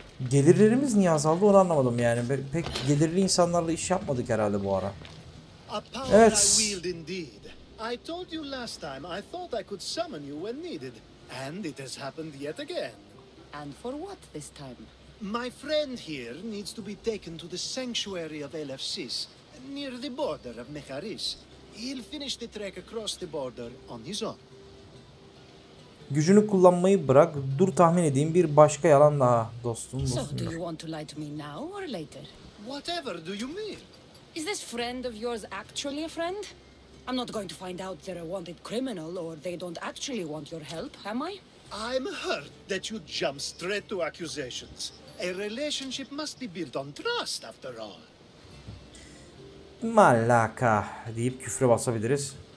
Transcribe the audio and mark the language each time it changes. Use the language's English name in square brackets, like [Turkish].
[Turkish] Gelirlerimiz niye azaldı onu anlamadım yani. Pek gelirli insanlarla iş yapmadık herhalde bu ara. Evet. [English] I told you last time I thought I could summon you when needed and it has happened yet again. And for what this time? My friend here needs to be taken to the sanctuary of Elefsis near the border of Mecharis. He'll finish the trek across the border on his own. [Turkish] Gücünü kullanmayı bırak. Dur tahmin edeyim, bir başka yalan daha dostum. [English] So, do you want to lie to me now or later? Whatever do you mean? Is this friend of yours actually a friend? I'm not going to find out they're a wanted criminal or they don't actually want your help, am I? I'm hurt that you jump straight to accusations. A relationship must be built on trust after all. [Turkish] Malaka deyip küfre basabiliriz.